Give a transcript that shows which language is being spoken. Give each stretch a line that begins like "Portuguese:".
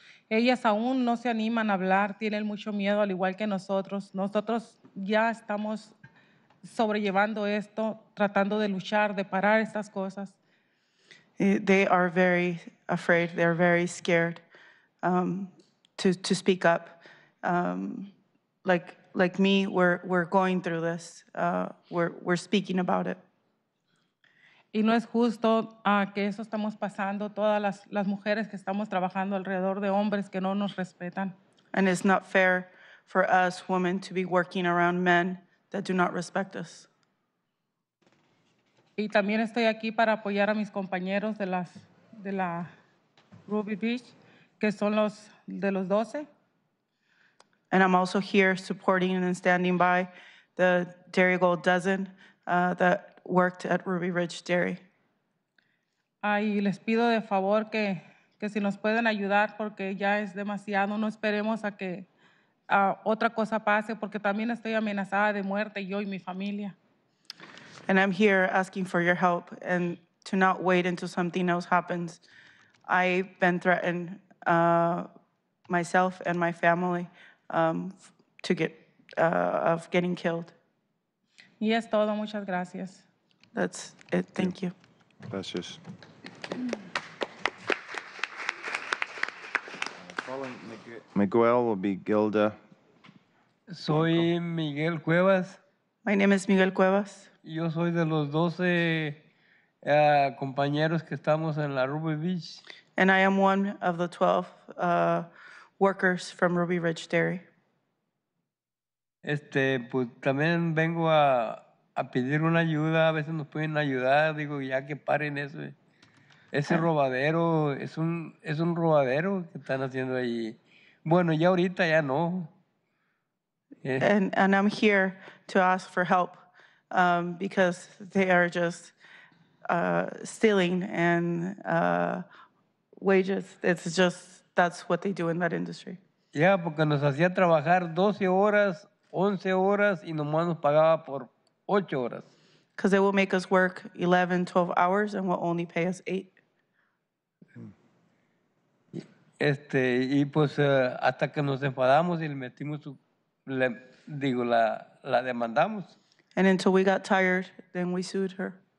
Spanish: Ellas aún no se animan a hablar, tienen mucho miedo, al igual que nosotros. Nosotros ya estamos sobrellevando esto, tratando de luchar, de parar estas cosas.
English: They are very afraid, they are very scared to speak up. Like me, we're going through this, we're speaking about it.
Spanish: Y no es justo que eso estamos pasando, todas las mujeres que estamos trabajando alrededor de hombres que no nos respetan.
English: And it's not fair for us women to be working around men that do not respect us.
Spanish: Y también estoy aquí para apoyar a mis compañeros de la Ruby Beach, que son los de los 12.
English: And I'm also here supporting and standing by the Dairy Gold Dozen that worked at Ruby Ridge Dairy.
Spanish: Ay, les pido de favor que si nos pueden ayudar porque ya es demasiado, no esperemos a que otra cosa pase porque también estoy amenazada de muerte yo y mi familia.
English: And I'm here asking for your help and to not wait until something else happens. I've been threatened myself and my family to get of getting killed.
Spanish: Y es todo, muchas gracias.
English: That's it. Thank you. That's just. Following Miguel will be Gilda.
Spanish: Soy Miguel Cuevas.
English: My name is Miguel Cuevas.
Spanish: Yo soy de los 12 compañeros que estamos en la Ruby Ridge.
English: And I am one of the 12 workers from Ruby Ridge Dairy.
Spanish: Este, pues también vengo a pedir una ayuda. A veces nos pueden ayudar. Digo, ya que paren eso. Ese robadero, es un robadero que están haciendo ahí. Bueno, ya ahorita ya no.
English: And I'm here to ask for help because they are just stealing and wages. It's just, that's what they do in that industry.
Spanish: Yeah, porque nos hacía trabajar 12 horas, 11 horas, y nomás nos pagaba por 8 horas.
English: Because they will make us work 11, 12 hours and will only pay us 8.
Spanish: Este, y pues hasta que nos enfadamos y le metimos su, le, digo, la demandamos.
English: And until we got tired, then we sued her.